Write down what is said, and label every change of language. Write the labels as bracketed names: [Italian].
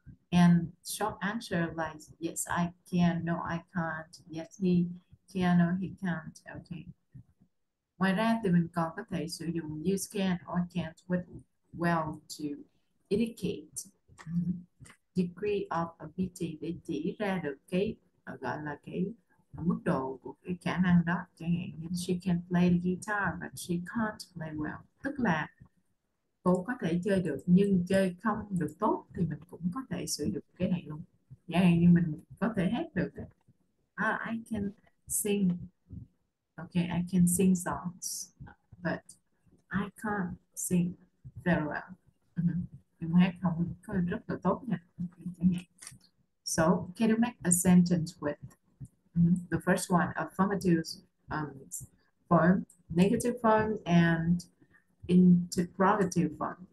[English] And short answer like yes I can, no I can't, yes he can, no he can't, okay. [Vietnamese] Ngoài ra thì mình còn có thể sử dụng [English] use can or can't with well to indicate degree of ability [Vietnamese] để chỉ ra được cái gọi là cái mức độ của cái khả năng đó. Chẳng hạn như [English] she can play the guitar but she can't play well. [Vietnamese] Tức là cô có thể chơi được nhưng chơi không được tốt thì mình cũng có thể sử dụng cái này luôn. Chẳng hạn như mình có thể hát được. [English] I can sing. Okay, I can sing songs, but I can't sing very well. [Vietnamese] Nhưng mà hát không có rất là tốt nha. [English] So, can you make a sentence with the first one, affirmative form, negative form and interrogative form?